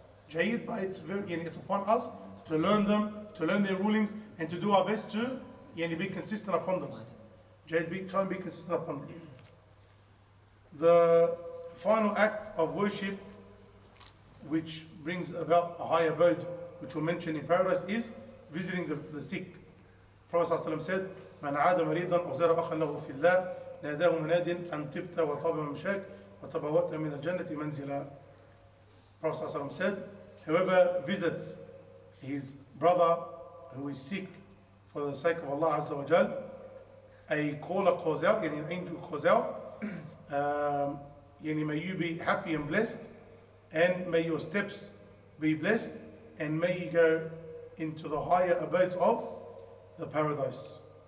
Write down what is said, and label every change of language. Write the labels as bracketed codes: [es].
[en] Jayid, but it's very, you know, it's upon us to learn them, to learn their rulings, and to do our best to, you know, be consistent upon them. Jayid, try and be consistent upon them. The final act of worship, which brings about a higher abode, which we'll mention in paradise, is visiting the sick. Prophet ﷺ said, [ar] من عاد مريضا أغزر أخا له في الله ناداه مناد أن تبت وطاب ممشاك وتبوأت من الجنة منزلا. [en] Prophet ﷺ said, whoever visits his brother who is sick for the sake of Allah Azza wa Jal, a caller calls out, yani an angel calls out, yani may you be happy and blessed, and may your steps be blessed, and may you go into the higher abodes of the paradise.